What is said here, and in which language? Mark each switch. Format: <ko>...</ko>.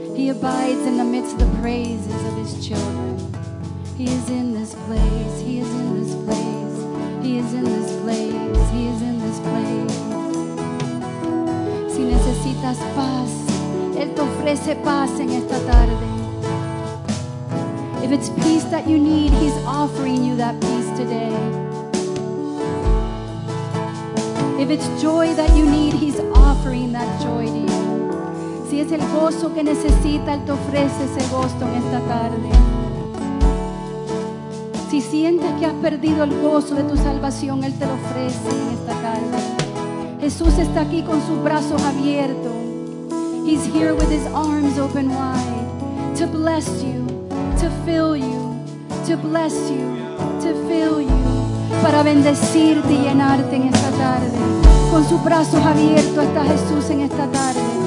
<en>abides in the midst of the praises of his children. He is in this place, he is in this place, he is in this place, he is in this place.</en> <es>Si necesitas paz, él te ofrece paz en esta tarde.</es> <en>If it's peace that you need, he's offering you that peace today. If it's joy that you need, he's offering that joy to you.</en> <es>Si es el gozo que necesita, él te ofrece ese gozo en esta tarde. Si sientes que has perdido el gozo de tu salvación, él te lo ofrece en esta tarde. Jesús está aquí con sus brazos abiertos.</es> <en>He's here with his arms open wide to bless you, to fill you, to bless you, to fill you.</en> <es>Para bendecirte y llenarte en esta tarde. Con sus brazos abiertos está Jesús en esta tarde.</es>